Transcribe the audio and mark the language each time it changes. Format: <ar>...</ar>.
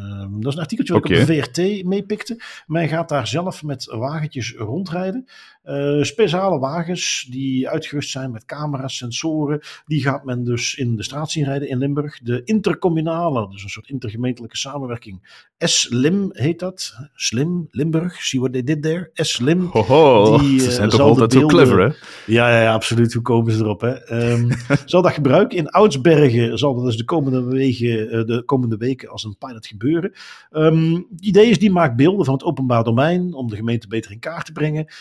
<nl>Dat is een artikeltje dat ik op de VRT meepikte. Men gaat daar zelf met wagentjes rondrijden. Speciale wagens die uitgerust zijn met camera's, sensoren, die gaat men dus in de straat zien rijden in Limburg. De intercommunale, dus een soort intergemeentelijke samenwerking, S-Lim heet dat.</nl> <en>Slim, Limburg, see what they did there?</en> <nl>S-Lim. Hoho, ze zijn toch altijd beelden, heel clever, hè? Ja, ja, ja, absoluut. Hoe komen ze erop, hè? zal dat gebruiken? In Oudsbergen zal dat dus de komende weken als een pilot gebeuren. Het idee is, die maakt beelden van het openbaar domein om de gemeente beter in kaart te brengen.</nl>